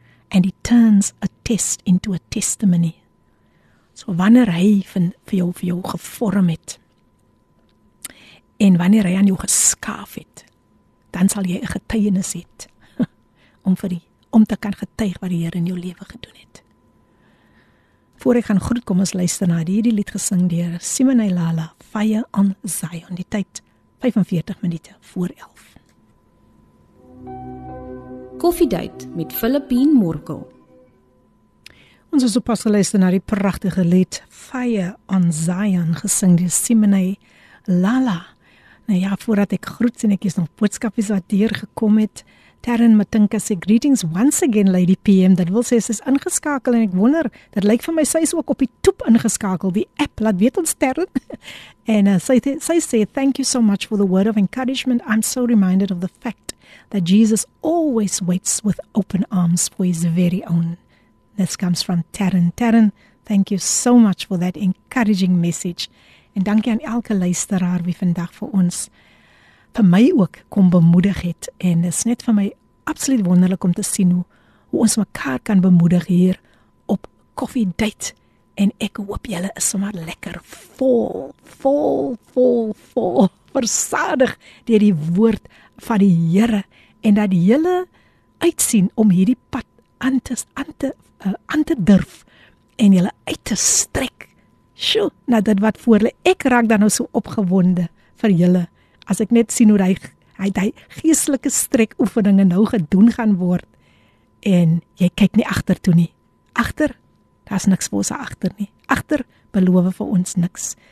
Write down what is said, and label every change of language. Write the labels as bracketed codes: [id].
[en] And he turns a test into a testimony. [af] So wanneer hy vir jou gevorm het, en wanneer hy aan jou geskaaf het, dan sal jy 'n getuienis het om te kan getuig wat die Here in jou lewe gedoen het. Voor ek gaan groet, kom ons luister na hierdie lied gesing deur Simon Ilala, Fire on Zion, die tyd 45 minute voor 11. Koffiedייט met Filippine Morkel. Ons is op pas geluister na die pragtige lied Fire on Zion, gesing deur Simon Ilala. Nou ja, voordat ek groet, sien ek is nog boodskapies wat deurgekom het. [en] Taryn Matinka sê, greetings once again, Lady PM. Dat wil sê, sy is ingeskakel en ek wonder, dit lyk vir my, sy is ook op die toep ingeskakel, die app, laat weet ons Taryn. [af] En sy sê, [en] thank you so much for the word of encouragement. I'm so reminded of the fact that Jesus always waits with open arms for his very own. This comes from Taryn. Taryn, thank you so much for that encouraging message. [af] En dankie aan elke luisteraar wie vandag vir ons vir my ook kom bemoedig het. En dit is net vir my absoluut wonderlik om te sien hoe ons mekaar kan bemoedig hier op Koffiedייט. En ek hoop julle is sommer lekker vol, versadig deur die woord van die Here. En dat julle uitsien om hierdie pad aan te durf en julle uit te strek. Sjoe, nou dit wat voor lê. Ek raak dan nou so opgewonde vir julle. As ek net sien hoe hy geestelike strek oefeninge nou gedoen gaan word. En jy kyk nie agter toe nie. Agter, daar's niks vir ons agter nie. Agter beloof vir ons niks.